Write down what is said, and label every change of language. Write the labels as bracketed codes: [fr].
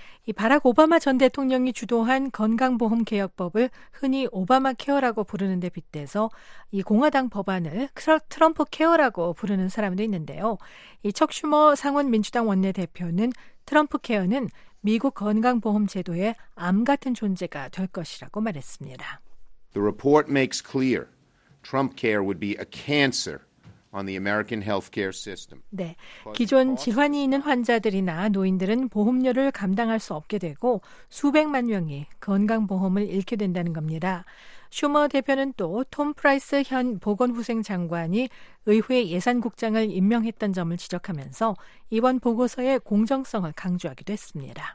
[ko] 이 바락 오바마 전 대통령이 주도한 건강보험 개혁법을 흔히 오바마 케어라고 부르는 데 빗대서 이 공화당 법안을 트럼프 케어라고 부르는 사람도 있는데요. 이 척 슈머 상원 민주당 원내대표는 트럼프 케어는 미국 건강보험 제도의 암 같은 존재가 될 것이라고 말했습니다. [en] The report makes clear Trump care would be a cancer. On the American healthcare system. [ko] 네, 기존 질환이 있는 환자들이나 노인들은 보험료를 감당할 수 없게 되고 수백만 명이 건강보험을 잃게 된다는 겁니다. 슈머 대표는 또 톰 프라이스 현 보건후생장관이 의회 예산국장을 임명했던 점을 지적하면서 이번 보고서의 공정성을 강조하기도 했습니다.